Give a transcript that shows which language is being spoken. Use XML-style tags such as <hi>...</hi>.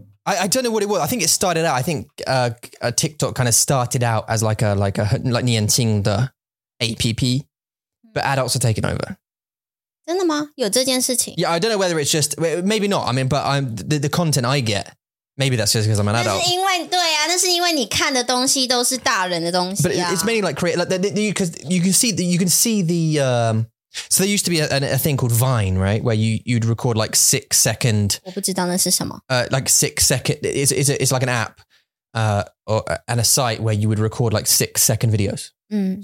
<en>I don't know what it was. I think it started out. I think TikTok kind of started out as like</en> <zh>年轻的</zh> <en>APP, but adults are taking over.</en> <zh>真的吗？有这件事情？</zh> <en>Yeah, I don't know whether it's just maybe not. I mean, but I'm the content I get. Maybe that's just because I'm an adult.</en> <zh>那是因为对啊，那是因为你看的东西都是大人的东西啊。</zh> <en>But it's mainly like create like because you can see the so there used to be a thing called Vine, right? Where you'd record like 6 second.</en> <zh>我不知道那是什么。</zh> <en>Like 6 second, it's like an app, or and a site where you would record like 6 second videos. Mm.</en>